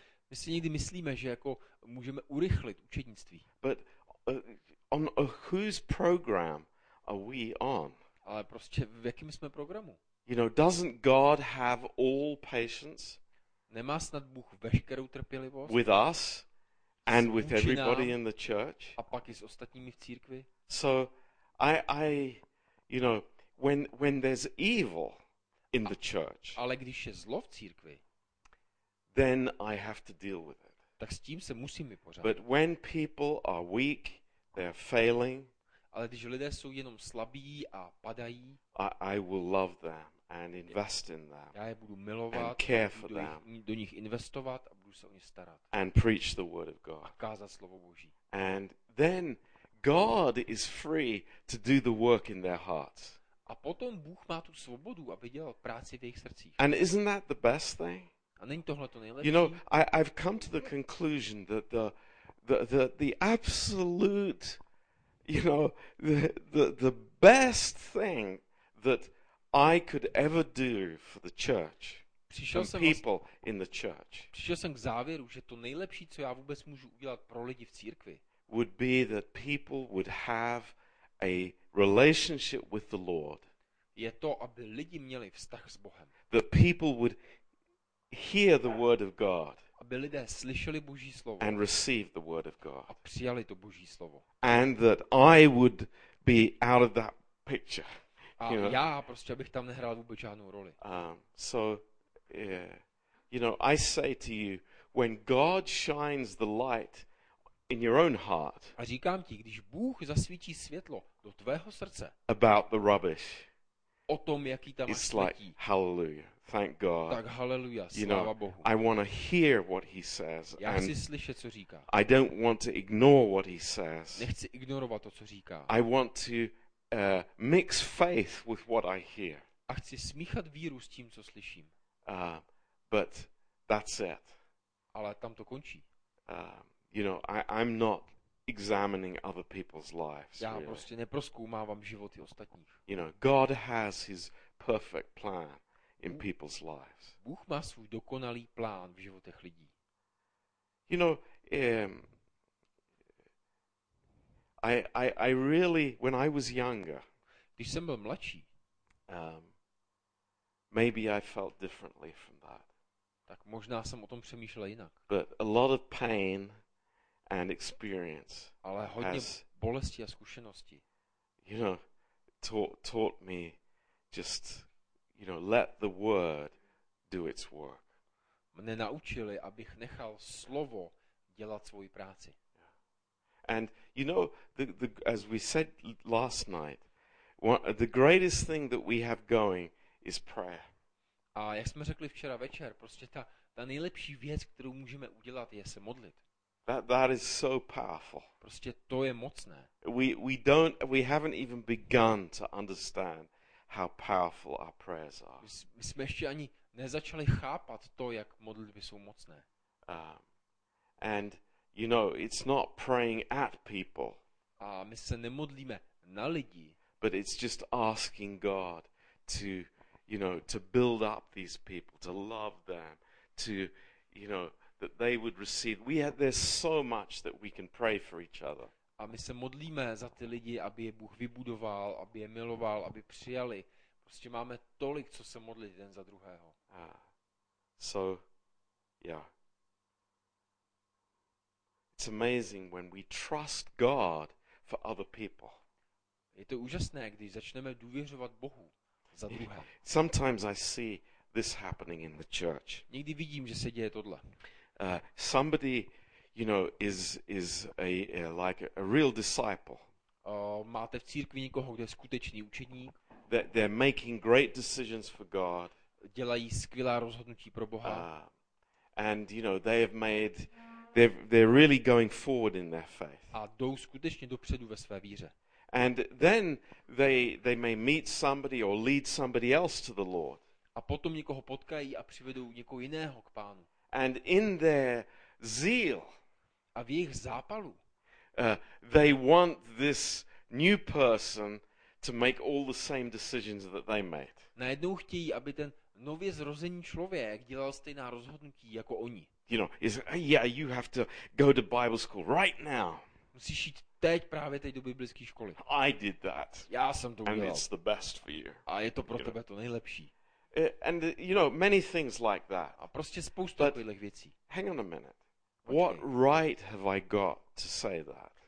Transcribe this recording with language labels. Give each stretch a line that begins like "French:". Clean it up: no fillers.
Czech: My si někdy myslíme, že jako můžeme urychlit učednictví.
English: But on whose program are we on?
Czech: Ale prostě v jakém jsme programu?
English: You know, doesn't God have all patience?
Czech: Nemá snad Bůh veškerou trpělivost?
English: With us and with everybody in the church?
Czech: A pak i s ostatními v církvi?
English: So I you know, when there's evil in the church.
Czech: Ale když je zlo v církvi,
English: then I have to deal with it.
Czech: Tak s tím se musím vypořádat.
English: But when people are weak, they're failing.
Czech: Ale když lidé jsou jenom slabí a padají,
English: I will love them and invest in them.
Czech: Já je budu milovat,
English: and care for them.
Czech: Do nich investovat a budu se o ně starat.
English: And preach the word of God.
Czech: A kázat slovo Boží.
English: And then God is free to do the work in their hearts.
Czech: A potom Bůh má tu svobodu, aby dělal práci v jejich srdcích.
English: And isn't that the best thing?
Czech: A není tohle to nejlepší?
English: You know, I've come to the conclusion that the absolute, you know, the best thing that I could ever do for the church,
Czech: přišel
English: and people in the church.
Czech: Přišel jsem k závěru, že to nejlepší, co já vůbec můžu udělat pro lidi v církvi,
English: would be that people would have a relationship with the Lord.
Czech: Je to, aby lidi měli vztah s Bohem.
English: That people would hear the word of God.
Czech: Aby lidé slyšeli Boží slovo.
English: And receive the word of God.
Czech: A přijali to Boží slovo.
English: And that I would be out of that picture.
Czech: A
English: you know?
Czech: Já prostě abych tam nehrál vůbec žádnou roli.
English: So yeah. You know, I say to you, when God shines the light in your own heart.
Czech: A říkám ti, když Bůh zasvítí světlo do tvého srdce.
English: About the rubbish.
Czech: O tom, jaký tam máš
English: like,
Czech: smetí.
English: Hallelujah. Thank God.
Czech: Tak hallelujah, sláva
English: you know,
Czech: Bohu.
English: I want to hear what he says.
Czech: Já chci slyšet, co říká.
English: I don't want to ignore what he says.
Czech: Nechci ignorovat to, co říká.
English: I want to mix faith with what I hear.
Czech: A chci smíchat víru s tím, co slyším.
English: But that's it.
Czech: Ale tam to končí.
English: You know, I'm not examining other people's lives.
Czech: Já prostě neprozkoumávám životy ostatních.
English: You know, God has his perfect plan in people's lives.
Czech: Bůh má svůj dokonalý plán v životech lidí.
English: You know, I really when I was younger.
Czech: Když jsem byl mladší.
English: Maybe I felt differently from that.
Czech: Tak možná jsem o tom přemýšlel jinak.
English: But a lot of pain and experience.
Czech: Ale hodně
English: has,
Czech: bolesti a zkušenosti.
English: You know, taught me just, you know, let the word do its work.
Czech: Mne naučili, abych nechal slovo dělat svoji práci.
English: And you know, the as we said last night, the greatest thing that we have going is prayer.
Czech: A jak jsme řekli včera večer, prostě ta nejlepší věc, kterou můžeme udělat, je se modlit.
English: That is so powerful.
Czech: Prostě to je mocné.
English: We haven't even begun to understand how powerful our prayers are.
Czech: My jsme ještě ani nezačali chápat to, jak modlitby jsou mocné.
English: And you know, it's not praying at people.
Czech: A my se nemodlíme na lidi.
English: But it's just asking God to, you know, to build up these people, to love them, to, you know, that they would receive. There's so much that we can pray for each other.
Czech: A my se modlíme za ty lidi, aby je Bůh vybudoval, aby je miloval, aby přijali. Prostě máme tolik, co se modlit jeden za druhého.
English: So, yeah. It's amazing when we trust God for other people.
Czech: Je to úžasné, když začneme důvěřovat Bohu za druhé.
English: Sometimes I see this happening in the church.
Czech: Někdy vidím, že se děje tohle.
English: Somebody, you know, is a like a real disciple.
Czech: Máte v církvi někoho, kdo je skutečný učedník?
English: They're making great decisions for God.
Czech: Dělají skvělá rozhodnutí pro Boha.
English: And you know, they have made they're really going forward in their faith.
Czech: A jdou skutečně dopředu ve své víře.
English: And then they may meet somebody or lead somebody else to the Lord.
Czech: A potom někoho potkají a přivedou někoho jiného k Pánu.
English: And in their zeal,
Czech: a v jejich zápalu,
English: they want this new person to make all the same decisions that they made.
Czech: Najednou chtějí, aby ten nově zrozený člověk dělal stejná rozhodnutí jako oni.
English: You know, you have to go to Bible school right now.
Czech: Musíš jít teď právě teď do biblické školy.
English: I did that.
Czech: Já jsem to udělal.
English: And it's the best for you.
Czech: A je to pro tebe to nejlepší.
English: And you know, many things like that.
Czech: A prostě spoustu takových věcí.
English: Hang on a minute.
Czech: Počkej.
English: What right have I got to say that?